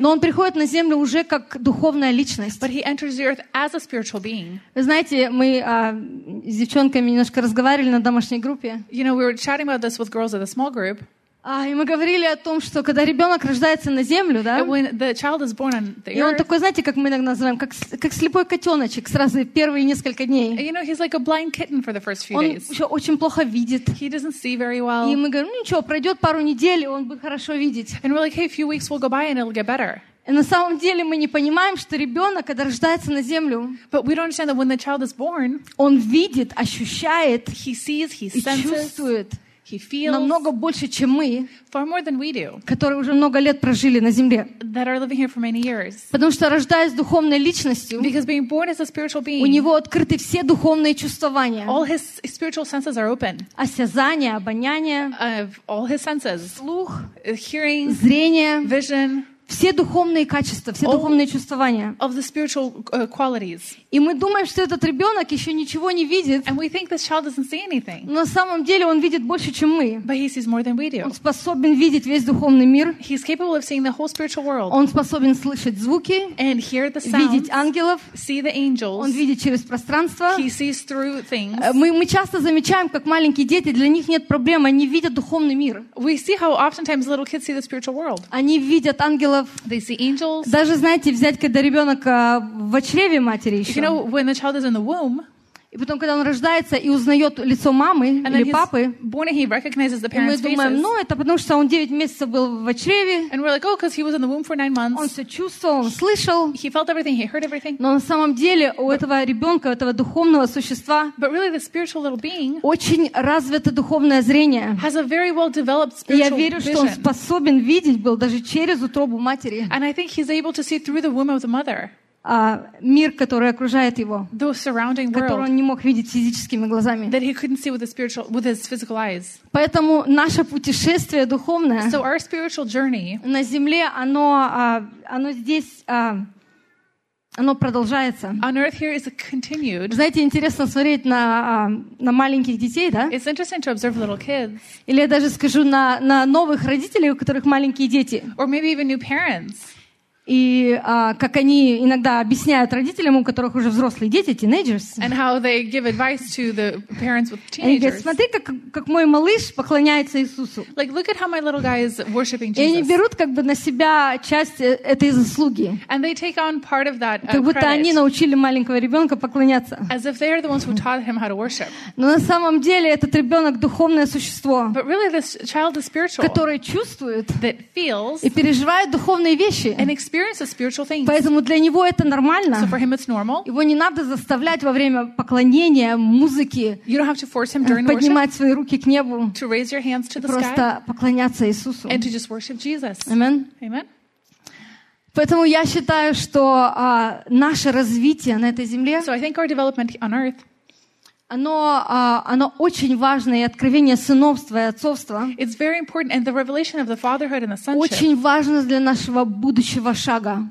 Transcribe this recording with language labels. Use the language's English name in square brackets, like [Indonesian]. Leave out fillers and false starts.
[Russian] но он приходит на землю уже как духовная личность. [English] But he enters the earth as a spiritual being. [Russian] Вы знаете, мы с девчонками немножко разговаривали на домашней группе. [English] You know, we were chatting about this with girls at the small group. [Russian] И мы говорили о том, что когда ребенок рождается на землю, да, [English] earth, [Russian] и он такой, знаете, как мы иногда называем, как слепой котеночек сразу первые несколько дней. [English] You know, he's like a blind kitten for the first few [Russian] он [English] days. [Russian] Еще очень плохо видит. [English] He doesn't see very well. [Russian] И мы говорим, ну ничего, пройдет пару недель, и он будет хорошо видеть. [English] And we're like, hey, a few weeks will go by and it'll get better. [Russian] И на самом деле мы не понимаем, что ребенок, когда рождается на землю, [English] but we don't understand that when the child is born, [Russian] он видит, ощущает, [English] he sees, he senses, [Russian] и чувствует. [English] He feels [Russian] намного больше, чем мы, [English] far more than we do, [Russian] которые уже много лет прожили на земле, [English] that are living here for many years. [Russian] Потому что рождаясь духовной личностью, [English] because being born as a spiritual being, [Russian] у него открыты все духовные чувствования, [English] all his spiritual senses are open, [Russian] осязание, обоняние, [English] all his senses, [Russian] слух, [English] hearing, [Russian] зрение, [English] vision, [Russian] все духовные качества, все духовные чувствования. [English] Of the spiritual qualities. [Russian] И мы думаем, что этот ребенок еще ничего не видит. [English] And we think this child doesn't see anything. [Russian] Но на самом деле он видит больше, чем мы. [English] But he sees more than we do. [Russian] Он способен видеть весь духовный мир. [English] He's capable of seeing the whole spiritual world. [Russian] Он способен слышать звуки. [English] And hear the sounds. [Russian] Видеть ангелов. [English] See the angels. [Russian] Он видит через пространство. [English] He sees through things. [Russian] Мы часто замечаем, как маленькие дети, для них нет проблем, они видят духовный мир. [English] We see how oftentimes little kids see the spiritual world. [Russian] Они видят ангелов. [English] They see angels. [Russian] Даже, знаете, взять, когда ребенок в чреве матери еще. [English] You know, when the child is in the womb, [Russian] и потом, когда он рождается и узнает лицо мамы или папы, [English] born, he recognizes the parents' [Russian] и мы думаем, [English] faces. [Russian] Ну, это потому, что он 9 месяцев был в чреве. [English] And we're like, oh, because he was in the womb for 9 months. [Russian] Он все чувствовал, он слышал. [English] He felt everything, he heard everything. [Russian] Но на самом деле у этого ребенка, этого духовного существа, [English] but really the spiritual little being, [Russian] очень развито духовное зрение. [English] Has a very well-developed spiritual [Russian] vision. Я верю, что он способен видеть был даже через утробу матери. [English] And I think he's able to see through the womb of the mother. [Russian] Мир, который окружает его, [English] the surrounding world, [Russian] который он не мог видеть физическими глазами. [English] That he couldn't see with his spiritual, with his physical eyes. [Russian] Поэтому наше путешествие духовное, [English] so our spiritual journey, [Russian] на земле, оно здесь, оно продолжается. [English] On earth here is continued. [Russian] Знаете, интересно смотреть на маленьких детей, да? [English] It's interesting to observe little kids. [Russian] Или я даже скажу на новых родителей, у которых маленькие дети. [English] Or maybe even new parents. [Russian] И как они иногда объясняют родителям, у которых уже взрослые дети, teenagers. [English] And how they give advice to the parents with teenagers. [Russian] Они говорят, смотри, как мой малыш поклоняется Иисусу. [English] Like, look at how my little guy is worshiping Jesus. [Russian] И они берут как бы на себя часть этой заслуги. [English] And they take on part of that [Russian] credit. Как будто они научили маленького ребенка поклоняться. [English] As if they are the ones who taught him how to worship. [Russian] Но на самом деле этот ребенок духовное существо. [English] But really this child is spiritual. [Russian] Который чувствует. [English] That feels. [Russian] И переживает духовные вещи. [English] Experience spiritual things. [Russian] Поэтому для него это нормально. [English] So for him it's normal. [Russian] Его не надо заставлять во время поклонения, музыки, [English] you don't have to force him during [Russian] поднимать [English] worship, [Russian] свои руки к небу, [English] to raise your hands to the [Russian] просто [English] sky, [Russian] поклоняться Иисусу. [English] And to just worship Jesus. Amen. Amen. [Russian] Поэтому я считаю, что наше развитие на этой земле, [English] so I think our development on earth, [Russian] оно очень важно, и откровение сыновства и отцовства. [English] It's very important, and the revelation of the fatherhood and the sonship. [Russian] Очень важно для нашего будущего шага.